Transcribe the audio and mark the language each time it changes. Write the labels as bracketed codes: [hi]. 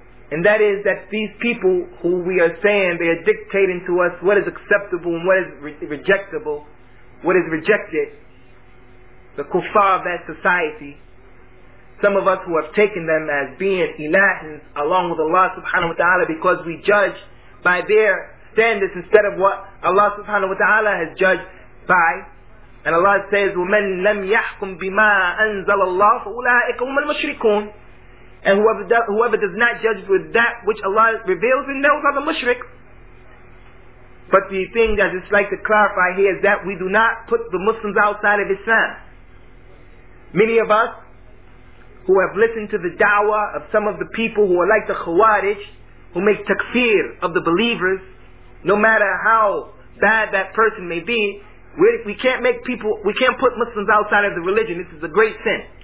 [en] And that is that these people who we are saying, they are dictating to us what is acceptable and what is rejectable, what is rejected, the kuffar of that society, some of us who have taken them as being ilahins along with Allah subhanahu wa ta'ala, because we judge by their standards instead of what Allah subhanahu wa ta'ala has judged by. [ar] And Allah says, وَمَنْ لَمْ يَحْكُمْ بِمَا أَنزَلَ اللَّهُ فَأُولَٰئِكَ هُمَ الْمُشْرِكُونَ. [en] And whoever does not judge with that which Allah reveals, then those are the mushrik. But the thing that I'd like to clarify here is that we do not put the Muslims outside of Islam. Many of us who have listened to the da'wah of some of the people who are like the Khawarij, who make takfir of the believers, no matter how bad that person may be, we can't put Muslims outside of the religion. This is a great sin.